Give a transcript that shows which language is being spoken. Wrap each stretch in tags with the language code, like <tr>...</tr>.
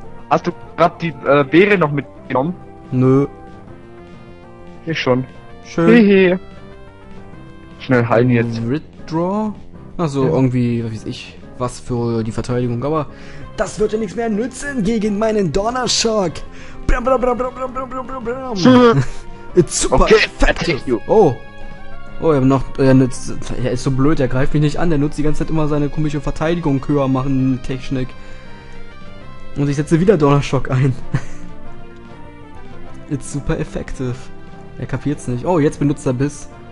<de>Hast du gerade die Beere noch mitgenommen? Nö. Ich schon. Schön. Hehe. Schnell heilen jetzt. Withdraw? Also ja. Irgendwie, was weiß ich, was für die Verteidigung, aber das wird ja nichts mehr nützen gegen meinen Donnershock. Bram, bram, bram, bram, bram, bram, bram, bram.</de> <en>It's super okay, effective.</en> <de>Oh, er noch, er nützt, er ist so blöd, er greift mich nicht an, der nutzt die ganze Zeit immer seine komische Verteidigung höher machen Technik. Und ich setze wieder Donnershock ein.</de> <en>It's super effective.</en> <de>Er kapiert's nicht. Oh, jetzt benutzt er Biss.</de>